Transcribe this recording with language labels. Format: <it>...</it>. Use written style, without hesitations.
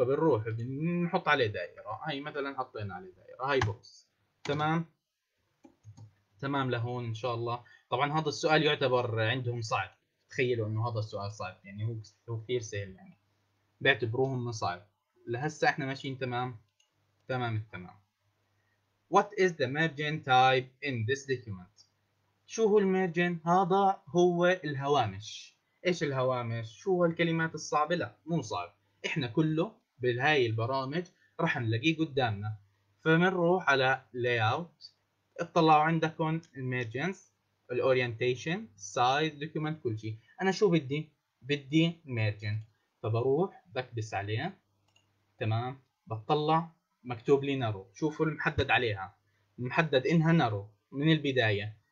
<ar>فبنروح بنحط عليه دائرة، هاي مثلا حطينا عليه دائرة، هاي بوكس، تمام تمام لهون إن شاء الله. طبعا هذا السؤال يعتبر عندهم صعب، تخيلوا إنه هذا السؤال صعب، يعني هو كثير سهل، يعني بيعتبروهم صعب. لهسه إحنا ماشيين تمام تمام التمام.</ar> <en>What is the margin type in this document؟</en> <ar>شو هو المرجن؟ هذا هو الهوامش. إيش الهوامش؟ شو هو الكلمات الصعبة؟ لا مو صعب، إحنا كله بهاي البرامج رح نلاقيه قدامنا. فمنروح على layout، اطلعوا عندكم emergence، الorientation، size، document، كل شيء. أنا شو بدي؟ بدي margin، فبروح بكبس عليها، تمام؟ بطلع مكتوب لي narrow، شوفوا المحدد عليها، محدد إنها narrow من البداية.</ar>